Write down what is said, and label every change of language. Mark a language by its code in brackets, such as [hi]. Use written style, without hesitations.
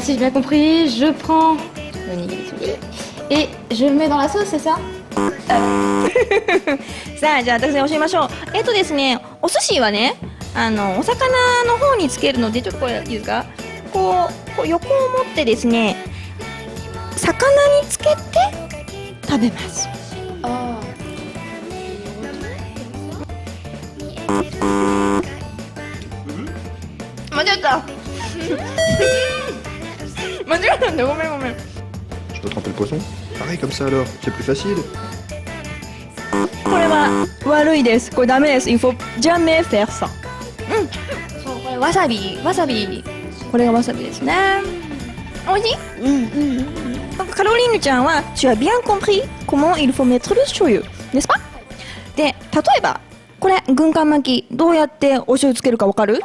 [fr] si j'ai bien compris, je prends le nigiri sushi et je mets dans la sauce, c'est ça? [ja] さあ、じゃあ私に教えましょう。ですね、お寿司はね、お魚の方につけるので、ちょっとこれいいですか。こう横を持ってですね、魚につけて食べます。ああ間違った間違ったんだ、ごめん。 [fr] Je peux tremper le poisson? Pareil comme ça alors, c'est plus facile。 [ja] これは悪いです、これダメです。 [fr] Il faut jamais faire ça。 [ja] うん、これわさび、これがわさびですね。おいしい。うん、 [fr] カロリーヌちゃんは tu as bien compris comment il faut mettre le [ja] 醤油ですか。で、例えばこれ軍艦巻き、どうやってお醤油つけるかわかる？